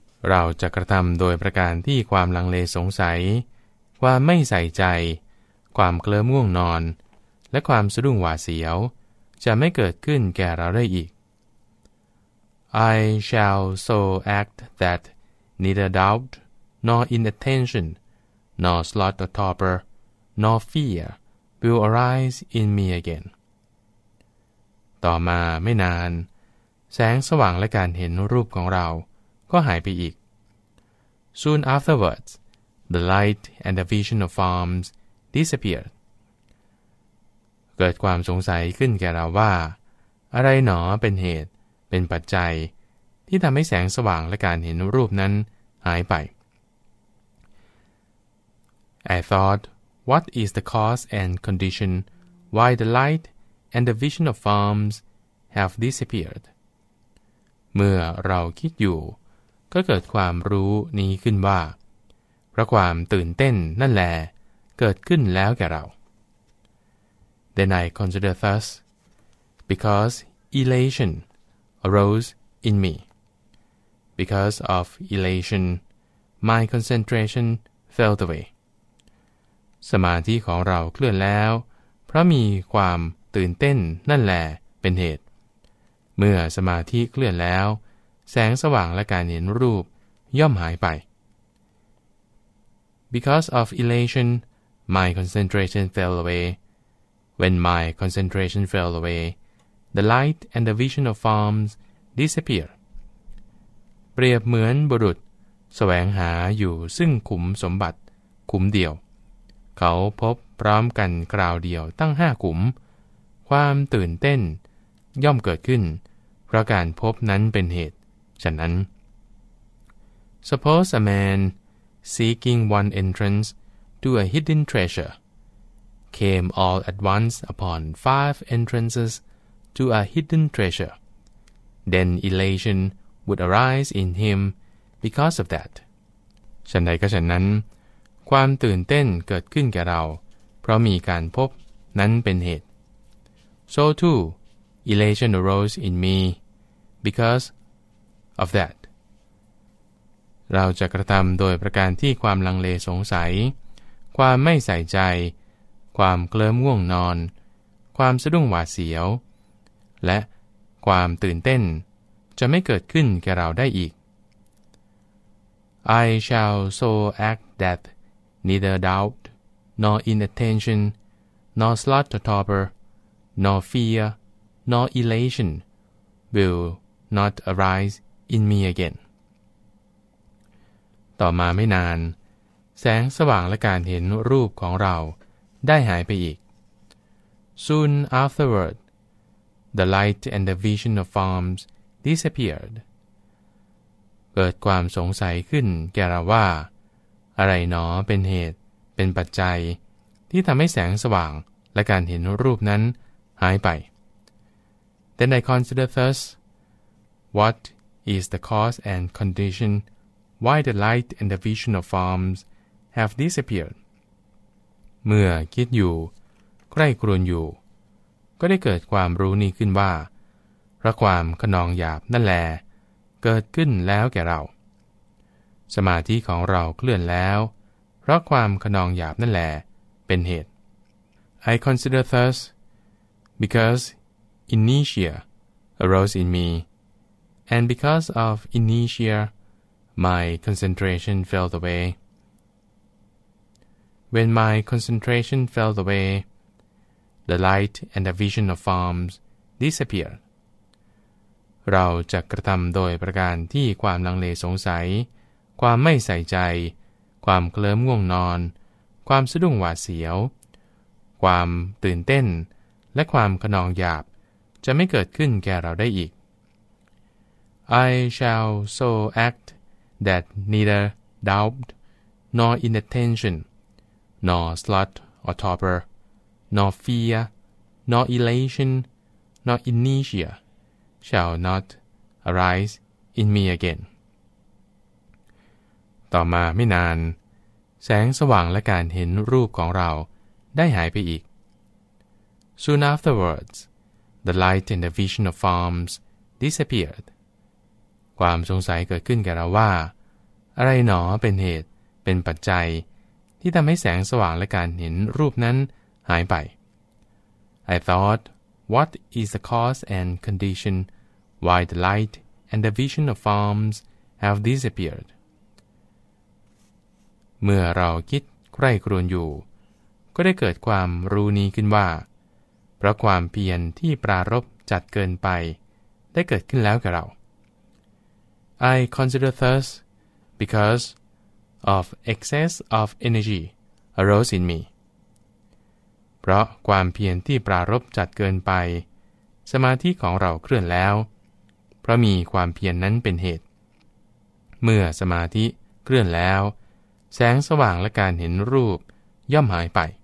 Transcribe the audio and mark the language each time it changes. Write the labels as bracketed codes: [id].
[th] เราจะกระทำโดยประการที่ความลังเลสงสัยความไม่ใส่ใจความเคลิ้มง่วงนอนและความสะดุ้งหวาดเสียวจะไม่เกิดขึ้นแก่เราได้อีก [en] I shall so act that neither doubt nor inattention nor sloth or torpor nor fear will arise in me again [th] ต่อมาไม่นานแสงสว่างและการเห็นรูปของเราก็หายไปอีก [en] Soon afterwards, the light and the vision of forms disappeared. [th] เกิดความสงสัยขึ้นแก่เราว่าอะไรหนอเป็นเหตุเป็นปัจจัยที่ทำให้แสงสว่างและการเห็นรูปนั้นหายไป [en] I thought, what is the cause and condition why the light and the vision of forms have disappeared? [th] เมื่อเราคิดอยู่ก็เกิดความรู้นี้ขึ้นว่าเพราะความตื่นเต้นนั่นแหละเกิดขึ้นแล้วแก่เรา [en] Then I consider thus because elation arose in me because of elation my concentration fell away [th] สมาธิของเราเคลื่อนแล้วเพราะมีความตื่นเต้นนั่นแหละเป็นเหตุเมื่อสมาธิเคลื่อนแล้วแสงสว่างและการเห็นรูปย่อมหายไป [en] Because of elation, my concentration fell away. When my concentration fell away, the light and the vision of forms disappear. ป [th] เปรียบเหมือนบุรุษแสวงหาอยู่ซึ่งขุมสมบัติขุมเดียวเขาพบพร้อมกันคราวเดียวตั้ง5ขุมความตื่นเต้นย่อมเกิดขึ้นเพราะการพบนั้นเป็นเหตุฉะนั้น [en] Suppose a man seeking one entrance to a hidden treasure came all at once upon 5 entrances to a hidden treasure. Then elationwould arise in him because of that. [th] ฉันใดก็ฉันนั้นความตื่นเต้นเกิดขึ้นแก่เราเพราะมีการพบนั้นเป็นเหตุ [en] So too, elation arose in me because of that. [th] เราจะกระทำโดยประการที่ความลังเลสงสัยความไม่ใส่ใจความเคลิ้มง่วงนอนความสะดุ้งหวาดเสียวและความตื่นเต้นจะไม่เกิดขึ้นแก่เราได้อีก [en] I shall so act that neither doubt nor inattention nor slight torpor nor fear nor elation will not arise in me again [th] ต่อมาไม่นานแสงสว่างและการเห็นรูปของเราได้หายไปอีก [en] Soon afterward the light and the vision of formsdisappeared [th] เกิดความสงสัยขึ้นแก่เราว่าอะไรหนอเป็นเหตุเป็นปัจจัยที่ทำให้แสงสว่างและการเห็นรูปนั้นหายไป [en] Then I consider first what is the cause and condition why the light and the vision of forms have disappeared [th] เมื่อคิดอยู่ใคร่ครวญอยู่ก็ได้เกิดความรู้นี้ขึ้นว่าเพราะความขนองหยาบนั่นแลเกิดขึ้นแล้วแก่เราสมาธิของเราเคลื่อนแล้วเพราะความขนองหยาบนั่นแลเป็นเหตุ [en] I consider thus because initia arose in me and because of initia my concentration fell away when my concentration fell away the light and the vision of forms disappeared. [th] เราจะกระทำโดยประการที่ความลังเลสงสัยความไม่ใส่ใจความเคลิ้มง่วงนอนความสะดุ้งหวาดเสียวความตื่นเต้นและความขนองหยาบจะไม่เกิดขึ้นแก่เราได้อีก [en] I shall so act that neither doubt nor inattention nor slut or torpor nor fear nor elation nor initiaShall not arise in me again. [th] ต่อมาไม่นานแสงสว่างและการเห็นรูปของเราได้หายไปอีก [en] Soon afterwards, the light and the vision of forms disappeared. [th] ความสงสัยเกิดขึ้นแก่เราว่าอะไรหนอเป็นเหตุเป็นปัจจัยที่ทำให้แสงสว่างและการเห็นรูปนั้นหายไป [en] I thoughtWhat is the cause and condition why the light and the vision of forms have disappeared? [th] เมื่อเราคิดใคร่ครวญอยู่ก็ได้เกิดความรู้นี้ขึ้นว่าเพราะความเพียรที่ปรารภจัดเกินไปได้เกิดขึ้นแล้วกับเรา [en] I consider thus because of excess of energy arose in me [th] เพราะความเพียรที่ปรารภจัดเกินไปสมาธิของเราเคลื่อนแล้วเพราะมีความเพียรนั้นเป็นเหตุเมื่อสมาธิเคลื่อนแล้วแสงสว่างและการเห็นรูปย่อมหายไป